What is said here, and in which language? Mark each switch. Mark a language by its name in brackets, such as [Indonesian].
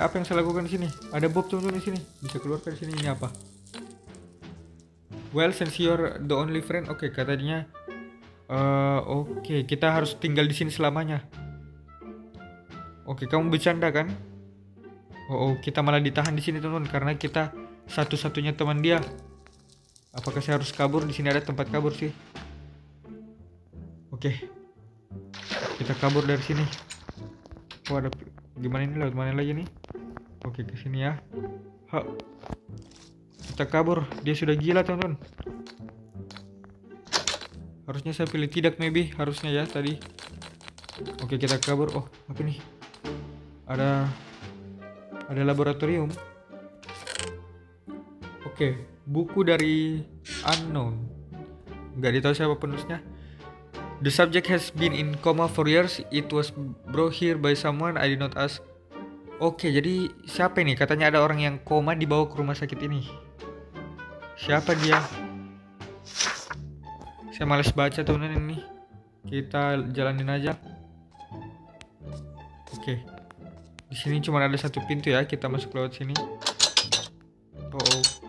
[Indonesian] Apa yang saya lakukan di sini? Ada Bob teman-teman di sini. Bisa keluar dari sini, ini apa? [English] Well, since you're the only friend, oke, okay, [Indonesian] katanya. Oke, okay, kita harus tinggal di sini selamanya. Oke, kamu bercanda kan? Oh, oh, kita malah ditahan di sini, teman-teman, karena kita satu-satunya teman dia. Apakah saya harus kabur? Di sini ada tempat kabur sih. Oke. Kita kabur dari sini. Oh, ada gimana ini? Lewat mana lagi nih? Oke, ke sini ya. Ha. Kita kabur. Dia sudah gila, teman-teman. Harusnya saya pilih tidak, maybe. Harusnya ya tadi. Oke, kita kabur. Oh, apa ini? Ada laboratorium. Oke, okay, buku dari unknown. Enggak ditahu siapa penulisnya. [English] The subject has been in coma for years. It was brought here by someone I did not ask. [Indonesian] Oke, okay, jadi siapa ini? Katanya ada orang yang koma dibawa ke rumah sakit ini. Siapa dia? Saya malas baca teman-teman ini. Kita jalanin aja. Oke. Okay. Di sini cuma ada satu pintu ya, kita masuk lewat sini. Oh, oh.